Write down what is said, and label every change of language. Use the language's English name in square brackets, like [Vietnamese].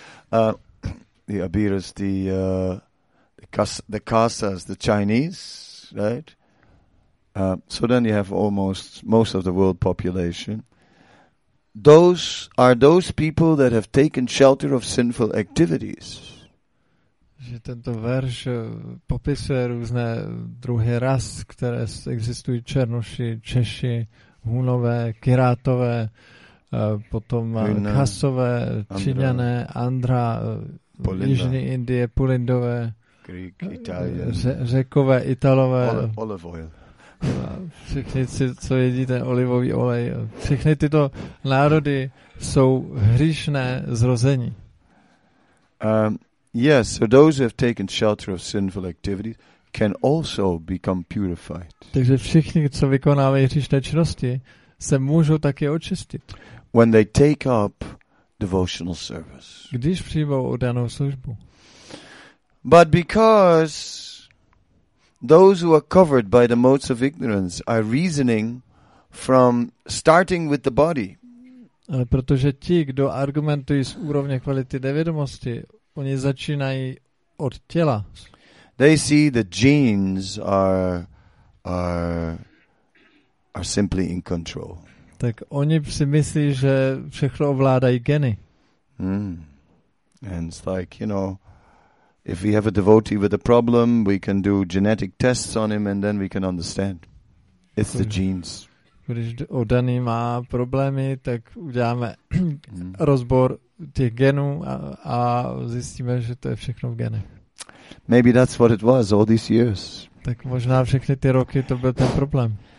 [English] The Abiras, the Kasas, the Chinese, right? So then you have almost most of the world population. Those are those people that have taken shelter of sinful activities. [Czech] Že tento verš popisuje různé druhy ras, které existují, černoši, češi, hunové, kirátové, potom kasové, číňané, andra, jižní Indie, pulindové, [English] Greek, Italian, [Czech] řekové, italové, [English] olive oil. [Czech] Všichni, co jedí ten olivový olej, všechny tyto národy jsou hříšné zrození. [English] Yes, so those who have taken shelter of sinful activities can also become purified. [Czech] Takže všichni, co vykonávají hříšné činnosti, se můžou také očistit. [English] When they take up devotional service. [Czech] Když přijmou oddanou službu. [English] But because those who are covered by the modes of ignorance are reasoning from starting with the body. [Czech] Ale protože ti, kdo argumentují z úrovně kvality nevědomosti, oni začínají od těla. [English] They see the genes are simply in control. [Czech] Tak oni si myslí, že všechno ovládají geny. [English] And it's like, you know, if we have a devotee with a problem, we can do genetic tests on him and then we can understand. It's the genes. [Czech] Když oddaný má problémy, tak uděláme rozbor těch genů a zjistíme, že to je všechno v genech. [English] Maybe that's what it was all these years. [Czech] Tak možná všechny ty roky to byl ten problém.